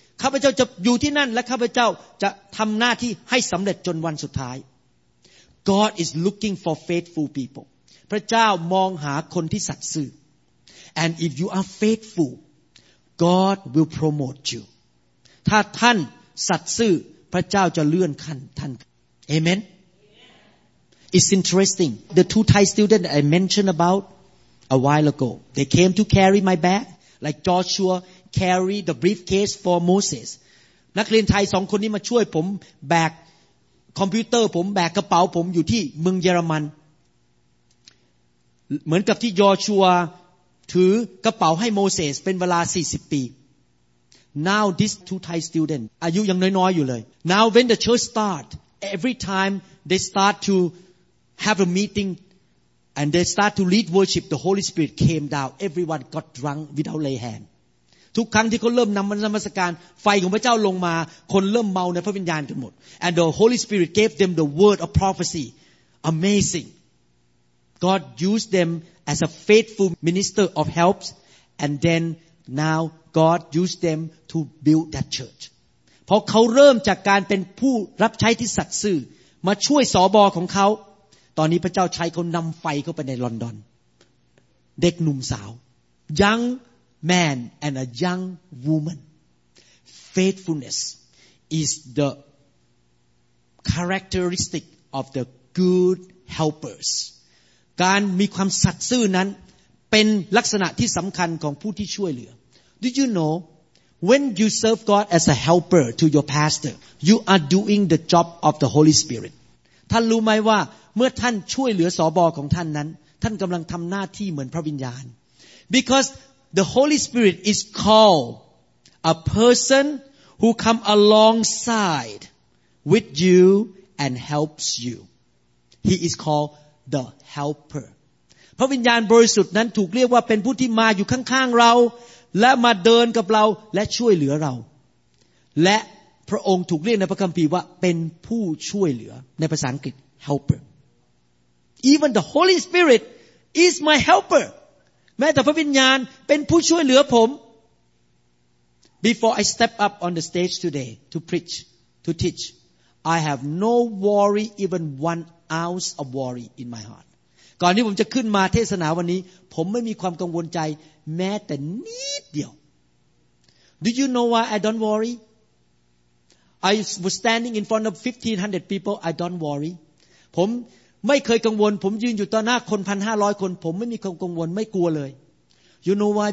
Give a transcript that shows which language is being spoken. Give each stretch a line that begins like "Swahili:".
Thai: ข้าพเจ้าจะอยู่ที่นั่นและข้าพเจ้าจะทำหน้าที่ให้สำเร็จจนวันสุดท้าย
English: God is looking for faithful people.
Thai: พระเจ้ามองหาคนที่สัตย์ซื่อ
English: And if you are faithful, God will promote you.
Thai: ถ้าท่านสัตย์ซื่อพระเจ้าจะเลื่อนขั้นท่าน Amen.
English: It's interesting. The two Thai students I mentioned aboutA while ago, they came to carry my bag, like Joshua carried the briefcase for Moses.
Thai: นักเรียนไทยสองคนนี้มาช่วยผมแบกคอมพิวเตอร์ผมแบกกระเป๋าผมอยู่ที่เมืองเยอรมันเหมือนกับที่โยชัวถือกระเป๋าให้โมเสสเป็นเวลา40ปี
English: Now these two Thai students,
Thai: อายุยังน้อยๆอยู่เลย
English: Now when the church start, every time they start to have a meetingAnd they start to lead worship. The Holy Spirit came down. Everyone got drunk without lay hand.
Thai: ทุกครั้งที่เขาเริ่มนำมันนมัสการไฟของพระเจ้าลงมาคนเริ่มเมาในพระวิญญาณกันหมด
English: And the Holy Spirit gave them the word of prophecy. Amazing. God used them as a faithful minister of helps. And then now God used them to build that church.
Thai: เพราะเขาเริ่มจากการเป็นผู้รับใช้ที่สัตย์ซื่อมาช่วยสบของเขาตอนนี้พระเจ้าใช้เขานำไฟเข้าไปในลอนดอนเด็กหนุ่มสาว
English: young man and a young woman faithfulness is the characteristic of the good helpers
Thai: การมีความสัตย์ซื่อนั้นเป็นลักษณะที่สำคัญของผู้ที่ช่วยเหลือ
English: Do you know when you serve God as a helper to your pastor you are doing the job of the Holy Spirit
Thai: ท่านรู้ไหมว่าเมื่อท่านช่วยเหลือสบของท่านนั้นท่านกำลังทำหน้าที่เหมือนพระวิญญาณ
English: because the Holy Spirit is called a person who come alongside with you and helps you. He is called the helper.
Thai: พระวิญญาณบริสุทธิ์นั้นถูกเรียกว่าเป็นผู้ที่มาอยู่ข้างๆเราและมาเดินกับเราและช่วยเหลือเราและพระองค์ถูกเรียกในพระคัมภีร์ว่าเป็นผู้ช่วยเหลือในภาษาอังกฤษ helper.
English: Even the Holy Spirit is my helper.
Thai: แม้แต่พระวิญญาณเป็นผู้ช่วยเหลือผม
English: Before I step up on the stage today to preach, to teach, I have no worry, even 1 ounce of worry in my heart.
Thai: ก่อนที่ผมจะขึ้นมาเทศนาวันนี้ผมไม่มีความกังวลใจแม้แต่นิดเดียว
English: Do you know why I don't worry? I was standing in front of 1,500 people. I don't worry.
Thai: ผมไม่เคยกังวลผมยืนอยู่ต่อหน้าคน 1,500 คนผมไม่มีความกังวลไม่กลัวเลย
English: You know why?